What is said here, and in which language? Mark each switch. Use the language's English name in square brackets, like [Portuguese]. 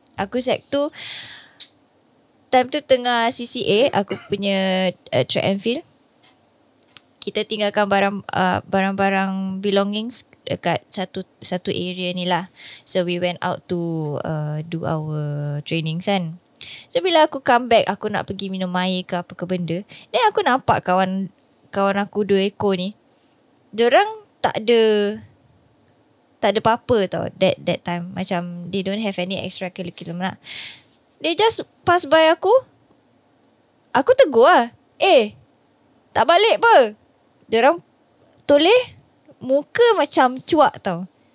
[Malay] Aku sec 2. Time tu tengah CCA. Aku punya track and field. Kita tinggalkan barang, barang-barang belongings dekat satu area ni lah. [English] So we went out to do our trainings kan. [Malay] So bila aku [English] come back, [Malay] aku nak pergi minum air ke apa ke benda. Then aku nampak kawan aku dua ekor ni. Diorang tak ada apa-apa tau [English] that time. [Malay] Macam [English] they don't have any extra curriculum [Malay] lah. [English] They just pass by [Malay] aku. Aku tegur lah. Eh, tak balik apa? Diorang toleh muka macam cuak tau.